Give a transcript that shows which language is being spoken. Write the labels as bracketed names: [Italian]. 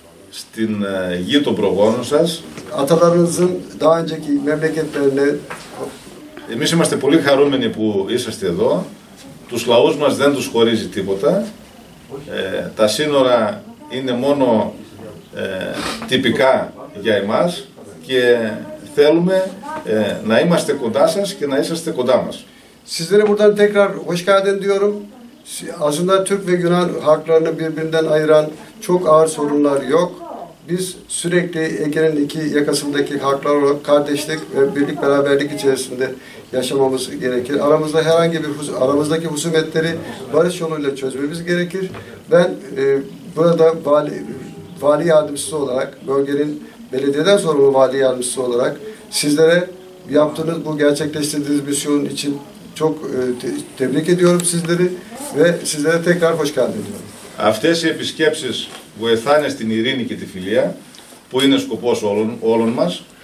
[Greek] Στην γη των προγόνων σας. [Turkish] Atalarınızın daha önceki memleketlerine. [Greek] Εμείς είμαστε πολύ χαρούμενοι που είσαστε εδώ. Τους λαούς μας δεν τους χωρίζει τίποτα. Τα σύνορα είναι μόνο τυπικά για εμάς και θέλουμε να είμαστε κοντά σας και να είσαστε κοντά μας. [Turkish] Sizlere buradan tekrar hoş geldin diyorum. Aslında Türk ve Yunan halklarını birbirinden ayıran çok ağır sorunlar yok. Biz sürekli Ege'nin iki yakasındaki halklar olarak kardeşlik ve birlik beraberlik içerisinde yaşamamız gerekir. Aramızda herhangi bir aramızdaki husumetleri barış yoluyla çözmemiz gerekir. Ben burada vali yardımcısı olarak, bölgenin belediyeden sorumlu vali yardımcısı olarak sizlere yaptığınız bu gerçekleştirdiğiniz misyonun için çok tebrik ediyorum sizleri ve sizlere tekrar hoş geldiniz. [Greek] Αυτές οι επισκέψεις βοηθάνε στην ειρήνη και τη φιλία, που είναι σκοπός όλων μας.